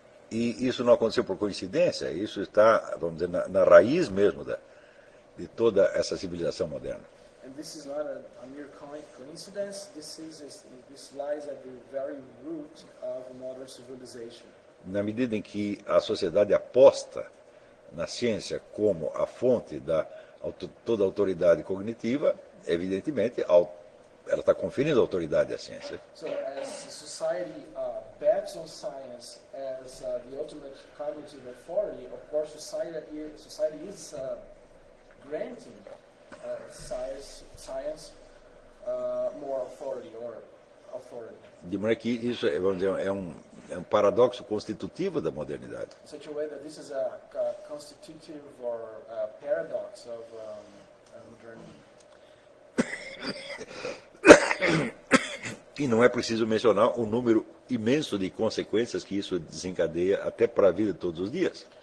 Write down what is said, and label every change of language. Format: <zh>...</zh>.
<pt>E isso não aconteceu por coincidência, isso está, vamos dizer, na raiz mesmo de toda essa civilização moderna.</pt> <en>And this is not a mere coincidence. This lies at the very root of modern civilization.</en> <pt>Na medida em que a sociedade aposta na ciência como a fonte da toda autoridade cognitiva, evidentemente, ela está conferindo a autoridade à ciência.</pt> <en>So, as society bets on science as the ultimate cognitive authority, of course, society is granting science more authority or authority.</en> <pt>De maneira que isso é, vamos dizer, é um paradoxo constitutivo da modernidade.</pt> <en>In such a way that this is a constitutive or a paradox of modernity.</en> <pt>E não é preciso mencionar o número imenso de consequências que isso desencadeia até para a vida de todos os dias.</pt>